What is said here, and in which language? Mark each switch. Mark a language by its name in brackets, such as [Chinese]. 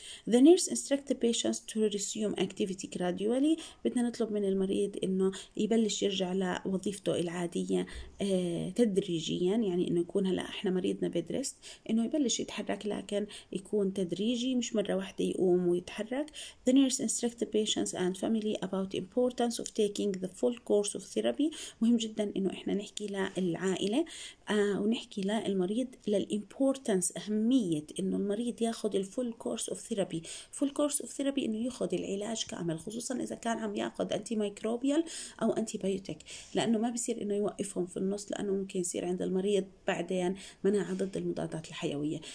[English] The nurse instructs the patients to resume activity gradually، [Arabic] بدنا نطلب من المريض انه يبلش يرجع لوظيفته العادية تدريجيا، يعني انه يكون هلا احنا مريضنا بيدرست انه يبلش يتحرك، لكن يكون تدريجي مش مره واحده يقوم ويتحرك. [English] The nurse instruct the patients and family about importance of taking the full course of therapy. [Arabic] مهم جدا انه احنا نحكي للعائله ونحكي للمريض للimportance، اهميه انه المريض ياخذ [English] الفول course of therapy. Full course of therapy [Arabic] انه ياخذ العلاج كامل، خصوصا اذا كان عم ياخذ انتي مايكروبيال او انتي بايوتيك، لانه ما بصير انه يوقفهم في النص، لانه ممكن يصير عند المريض بعدين مناعه ضد المضادات الحيويه.